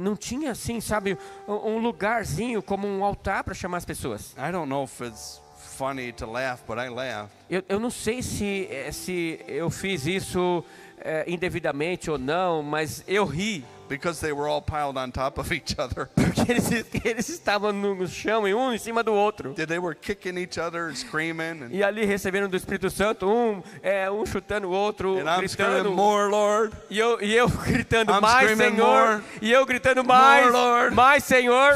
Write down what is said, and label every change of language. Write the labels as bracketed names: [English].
[Portuguese] não tinha assim, sabe, um lugarzinho como um altar para chamar as pessoas. [English] I don't know if it's funny to laugh, but I laughed. [Portuguese] Eu não sei se eu fiz isso indevidamente ou não, mas eu ri. [English] Because they were all piled on top of each other. [Portuguese] Porque eles estavam no chão e um em cima do outro. [English] They were kicking each other, screaming. [Portuguese] E ali receberam do Espírito Santo um chutando o outro, [English] and [Portuguese] gritando. [English] I'm screaming more, Lord. [Portuguese] E eu gritando [English] I'm [Portuguese] mais, Senhor. [English] More, [Portuguese] e eu gritando mais, [English] more, Lord. [Portuguese] Mais, Senhor.